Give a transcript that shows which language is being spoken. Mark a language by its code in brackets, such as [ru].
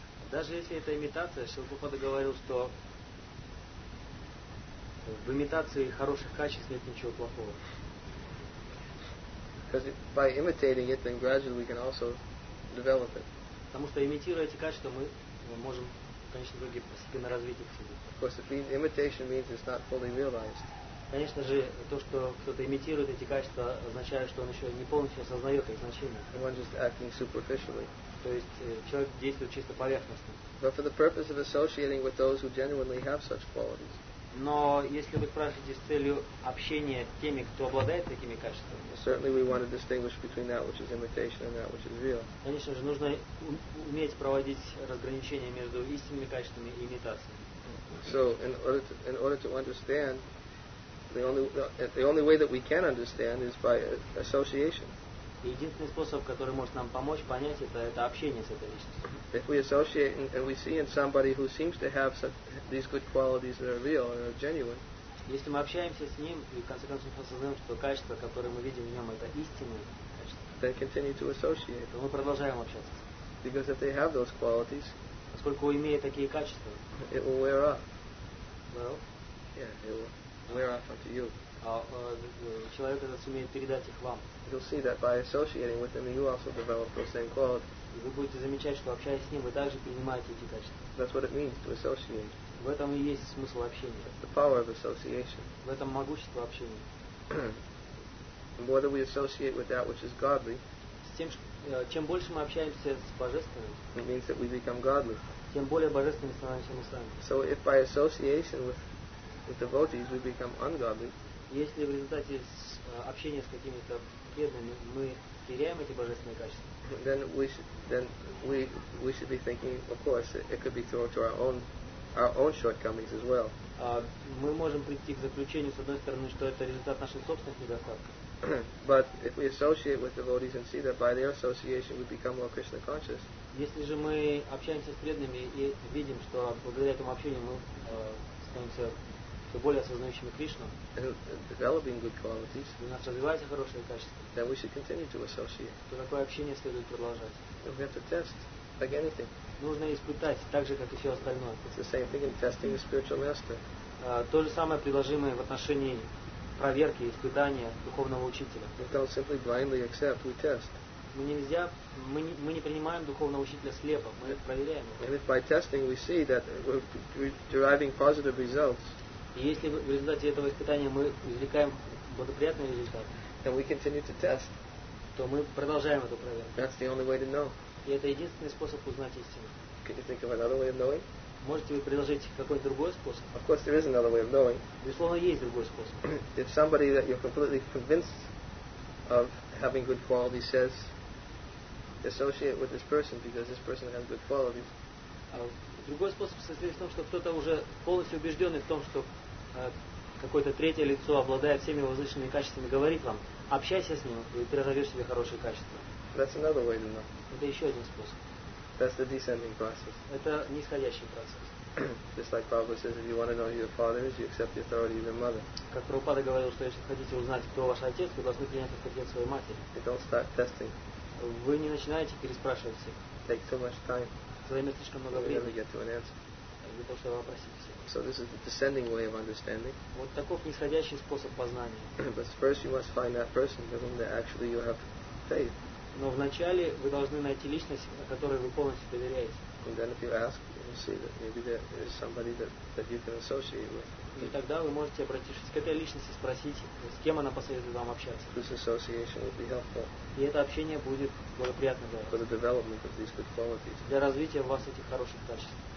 [ru] Даже если это имитация, Шрила Прабхупада говорил, что в имитации хороших качеств нет ничего плохого. [en] Because by imitating it, then gradually we can also develop it. [ru] Потому что имитируя эти качества, мы можем, в конечном итоге, постепенно развить их в себе. [en] Of course, if imitation means it's not fully realized. [ru] Конечно же, то, что кто-то имитирует эти качества, означает, что он еще не полностью осознает их значение. [en] One just acting superficially. [ru] То есть человек действует чисто поверхностно. [en] But for the purpose of associating with those who genuinely have such qualities. [ru] Но если вы спрашиваете с целью общения с теми, кто обладает такими качествами, [en] certainly we want to distinguish between that which is imitation and that which is real. [ru] Конечно же, нужно уметь проводить разграничение между истинными качествами и имитацией. [en] So in order to understand, the only way that we can understand is by association. [ru] Единственный способ, который может нам помочь понять это общение с этой личностью. [en] If we associate and we see in somebody who seems to have such, these good qualities that are real and are genuine. [ru] Если мы общаемся с ним и в конце концов осознаем, что качества, которые мы видим в нем, это истинные качества. [en] Then continue to associate. [ru] То мы продолжаем общаться. [en] Because if they have those qualities, [ru] поскольку имея такие качества, [en] it will wear off. Well, wear off onto you. [ru] Человек этот сумеет передать их вам. [en] You'll see that by associating with him, you also develop those same qualities. [ru] И вы будете замечать, что общаясь с ним, вы также принимаете эти качества. [en] That's what it means to associate. [ru] В этом и есть смысл общения. [en] The power of association. [ru] В этом могущество общения. [en] Whether we associate with that which is godly, [ru] с тем, чем больше мы общаемся с божественным, [en] it means that we become godly. [ru] Тем более божественными становимся мы сами. [en] So if by association with devotees we become ungodly. [ru] Если в результате общения с какими-то преданными мы теряем эти божественные качества, [en] then we should be thinking, of course, it could be thrown to our own shortcomings as well. [ru] Мы можем прийти к заключению, с одной стороны, что это результат наших собственных недостатков. [en] But if we associate with devotees and see that by their association we become more Krishna conscious. [ru] Если же мы общаемся с преданными и видим, что благодаря этому общению мы становимся более осознающими Кришну, [en] developing good qualities, [ru] у нас развиваются хорошие качества, [en] then we should continue to associate. [ru] То такое общение следует продолжать. [en] We have to test, like anything. [ru] Нужно испытать, так же, как и все остальное. [en] It's the same thing in testing the spiritual master. [ru] То же самое приложимое в отношении проверки, испытания духовного учителя. [en] We don't simply blindly accept, we test. [ru] Мы не принимаем духовного учителя слепо, мы проверяем его. [en] And if by testing we see that we're deriving positive results, [ru] и если в результате этого испытания мы извлекаем благоприятный результат, [en] then we continue to test. [ru] То мы продолжаем эту проверку. [en] That's the only way to know. [ru] И это единственный способ узнать истину. [en] Can you think of another way of knowing? [ru] Можете вы предложить какой-то другой способ? [en] Of course there is another way of knowing. [ru] Безусловно, есть другой способ. [en] If somebody that you're completely convinced of having good qualities says, associate with this person because this person has good qualities. [ru] Другой способ состоит в том, что кто-то уже полностью убежденный в том, что какое-то третье лицо, обладая всеми возвышенными качествами, говорит вам, общайся с ним, и ты разовьешь себе хорошие качества. [en] That's another way to know. [ru] Это еще один способ. [en] That's the descending process. [ru] Это нисходящий процесс. [en] Just like Prabhupada says, if you want to know who your father is, you accept the authority of your mother. [ru] Как Прабхупада говорил, что если хотите узнать, кто ваш отец, вы должны принять авторитет своей матери. [en] You don't start testing. [ru] Вы не начинаете переспрашивать всех. [en] Take too much time. [ru] Займет слишком много времени [en] get to an answer. [ru] Для того, чтобы опросить всех. [en] So this is the descending way of understanding. [ru] Вот таков нисходящий способ познания. [en] But first you must find that person with whom that actually you have faith. [ru] Но вначале вы должны найти личность, о которой вы полностью доверяете. [en] And then if you ask, you'll see that maybe there is somebody that you can associate with. [ru] И тогда вы можете обратившись к этой личности, спросить, с кем она посоветует вам общаться. [en] This association will be helpful. [ru] И это общение будет благоприятным для вас. [en] For the development of these good qualities. [ru] Для развития в вас этих хороших качеств.